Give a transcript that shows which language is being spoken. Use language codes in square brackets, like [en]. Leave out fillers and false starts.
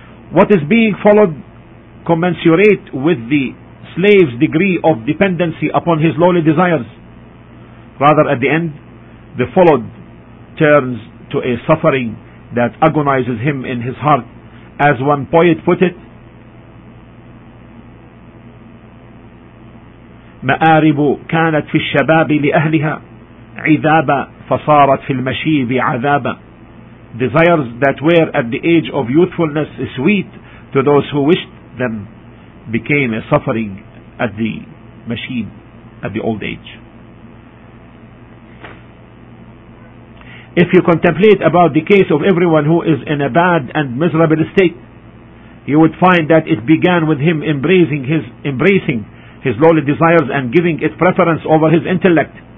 [en] What is being followed commensurate with the slave's degree of dependency upon his lowly desires. Rather, at the end, the followed turns to a suffering that agonizes him in his heart. As one poet put it, [ar] مآرب كانت في الشباب لأهلها عذابا فصارت في المشيب عذابا. [en] Desires that were at the age of youthfulness sweet to those who wished them became a suffering at the mashib, at the old age. If you contemplate about the case of everyone who is in a bad and miserable state, you would find that it began with him embracing his lowly desires and giving it preference over his intellect.